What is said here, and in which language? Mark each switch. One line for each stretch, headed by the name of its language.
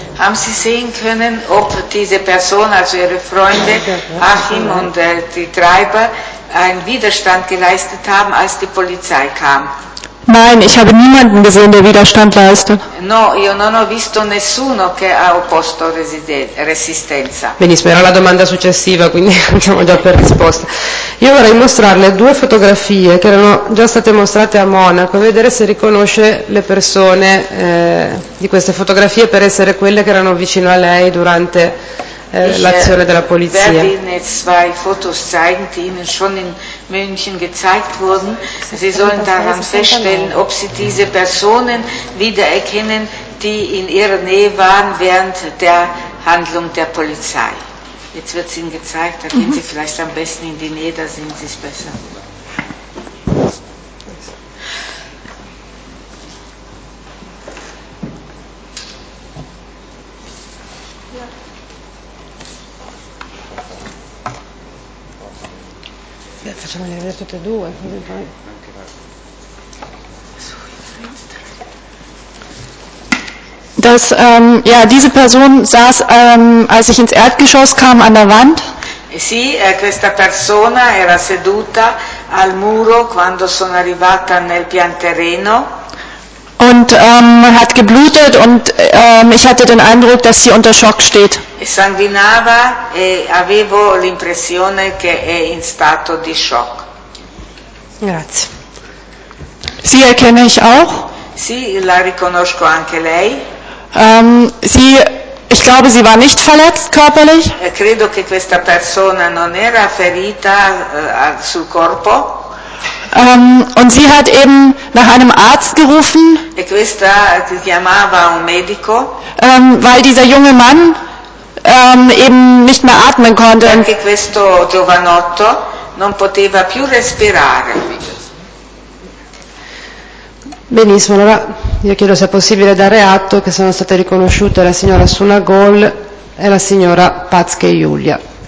German: Haben Sie sehen können, ob diese Person, also ihre Freunde, Hakim und die Treiber, einen Widerstand geleistet haben, als die Polizei kam? Nein, ich habe niemanden gesehen, der Widerstand leistet.
Italian: No, io non ho visto nessuno che ha opposto resistenza. Benissimo, era la domanda successiva, quindi andiamo già per risposta. Io vorrei mostrarle due fotografie che erano già state mostrate a Monaco e vedere se riconosce le persone di queste fotografie per essere quelle che erano vicino a lei durante l'azione della polizia.
German: Ich werde Ihnen zwei Fotos zeigen, die Ihnen schon in München gezeigt wurden. Sie sollen daran feststellen, ob Sie diese Personen wiedererkennen, die in Ihrer Nähe waren während der Handlung der Polizei. Jetzt wird es Ihnen gezeigt, da gehen Sie vielleicht am besten in die Nähe, da sehen Sie es besser.
Italian: Facciamo vedere tutte e due.
German: Das, ja, diese Person saß, als ich ins Erdgeschoss kam, an der Wand.
Italian: Sì, questa persona era seduta al muro quando sono arrivata nel pian terreno.
German: Und hat geblutet und ich hatte den Eindruck, dass sie unter Schock steht.
Italian: Sanguinava e avevo l'impressione che è in stato di shock. Grazie.
German: Sie erkenne ich auch.
Italian: Sì, la riconosco anche lei.
German: Sie, ich glaube, sie war nicht verletzt körperlich.
Italian: Credo che questa persona non era ferita sul corpo.
German: Und sie hat eben nach einem Arzt gerufen,
Italian: e questa chiamava un medico,
German: weil dieser junge Mann eben nicht mehr atmen konnte.
Italian: Perché questo giovanotto non poteva più respirare. Benissimo, allora io chiedo se è possibile dare atto che sono state riconosciute la signora Suna Gol e la signora Patske Julia.